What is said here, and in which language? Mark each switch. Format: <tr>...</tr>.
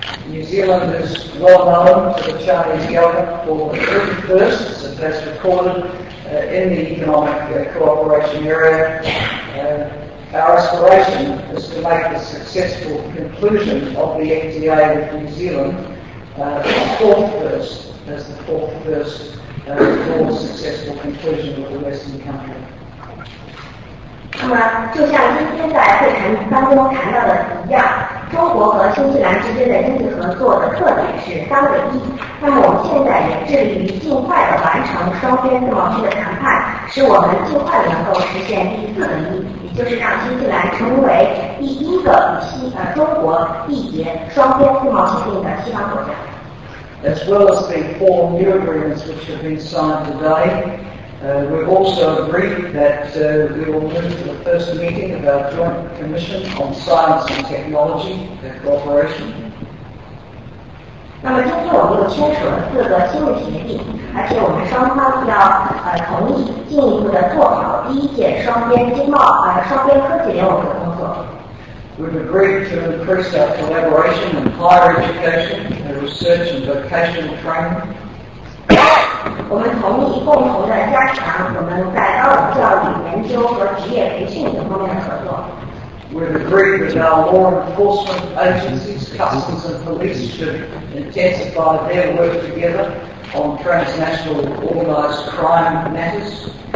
<en>New Zealand is well known to the Chinese government for the very first, as recorded in the economic cooperation area. Our aspiration is to make the successful conclusion of the FTA with New Zealand the fourth first for a successful conclusion with the Western country.</en> <zh>那么，就像今天在会谈当中谈到的一样，中国和新西兰之间的经济合作的特点是三个一。那么，我们现在也致力于尽快地完成双边自贸区的谈判，使我们尽快能够实现第四个一，也就是让新西兰成为第一个与中国缔结双边自贸协定的西方国家。</zh> <en>as well as the four new agreements which have been signed today. We've also agreed that we will move to the first meeting of our Joint Commission on Science and Technology and Cooperation.</en> <zh>那么今天我们的签署了四个新的议题，而且我们双方要同意进一步的做好第一届双边经贸双边科技联合的工作。</zh> <en>We've agreed to increase our collaboration in higher education and research and vocational training.</en> <zh>我们同意共同的加强我们在高等教育研究和职业培训等方面的合作。</zh> <en>We've agreed with our law enforcement agencies, customs and police, to intensify their work together on transnational organized crime matters.</en>